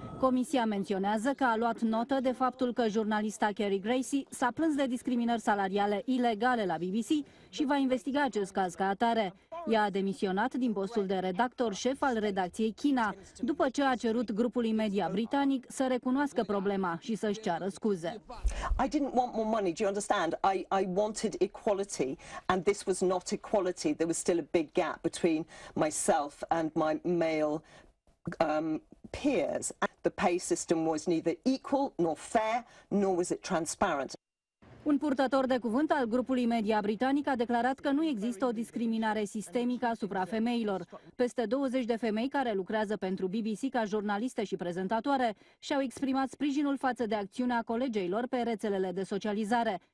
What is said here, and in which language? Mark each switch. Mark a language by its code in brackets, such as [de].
[ro] Comisia menționează că a luat notă de faptul că jurnalista Carrie Gracie s-a plâns de discriminări salariale ilegale la BBC și va investiga acest caz ca atare. Ea a demisionat din postul de redactor șef al redacției China, după ce a cerut grupului media britanic să recunoască problema și să-și ceară scuze. [en] I didn't want more money, do you understand? I wanted equality, and this was not equality. There was still a big gap between myself and my male peers. The pay system was neither equal nor fair, nor was it transparent. [ro] Un purtător de cuvânt al grupului media britanic a declarat că nu există o discriminare sistemică asupra femeilor. Peste 20 de femei care lucrează pentru BBC ca jurnaliste și prezentatoare și-au exprimat sprijinul față de acțiunea colegilor pe rețelele de socializare.